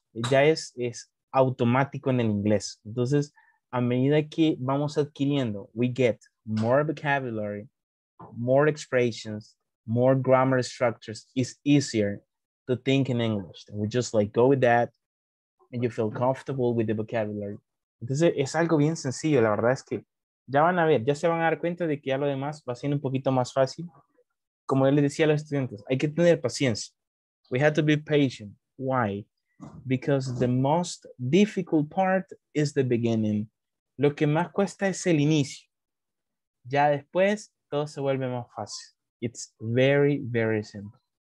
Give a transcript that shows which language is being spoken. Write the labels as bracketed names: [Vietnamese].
[Spanish] Ya es automático en el inglés. Entonces, a medida que vamos adquiriendo, [English] we get more vocabulary, more expressions, more grammar structures, it's easier to think in English. And we just like go with that and you feel comfortable with the vocabulary. [Spanish] Entonces es algo bien sencillo, la verdad es que ya van a ver, ya se van a dar cuenta de que ya lo demás va siendo un poquito más fácil. Como yo les decía a los estudiantes, hay que tener paciencia. [English] We have to be patient. Why? Because the most difficult part is the beginning. [Spanish] Lo que más cuesta es el inicio. Ya después, todo se vuelve más fácil. [English] It's very, very simple.